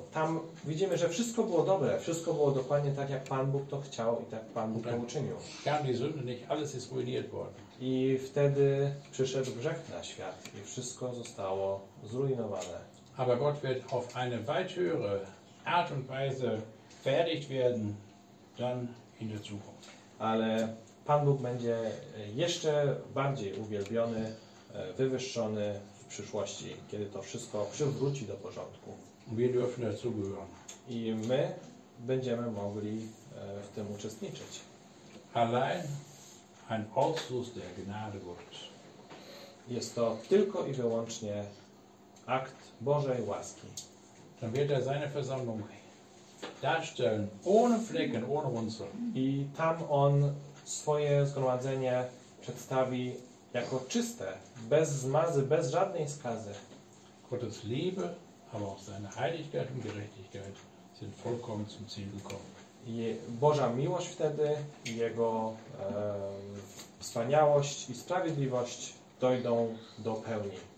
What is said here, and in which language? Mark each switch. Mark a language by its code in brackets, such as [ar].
[pl] Tam widzimy, że wszystko było dobre. Wszystko było dokładnie tak, jak Pan Bóg to chciał i tak Pan Bóg to uczynił. [de] Kam die Sünde nicht, alles ist ruiniert worden. [pl] I wtedy przyszedł grzech na świat i wszystko zostało zrujnowane. [de] Aber Gott wird auf eine weit höhere Art und Weise verherrlicht werden, dann in der Zukunft. [pl] Ale Pan Bóg będzie jeszcze bardziej uwielbiony, wywyższony w przyszłości, kiedy to wszystko przywróci do porządku. [de] Wir dürfen dazugehören. [pl] I my będziemy mogli w tym uczestniczyć. [de] Allein ein Ausschluss der Gnade Gottes. [pl] Jest to tylko i wyłącznie akt Bożej łaski. [de] Dann wird er seine Versammlung darstellen, ohne Flecken, ohne Runzel. [pl] I tam on swoje zgromadzenie przedstawi jako czyste, bez zmazy, bez żadnej skazy. [de] Gottes Liebe, aber auch seine Heiligkeit und Gerechtigkeit sind vollkommen zum Ziel gekommen. [pl] Boża miłość wtedy, Jego wspaniałość i sprawiedliwość dojdą do pełni.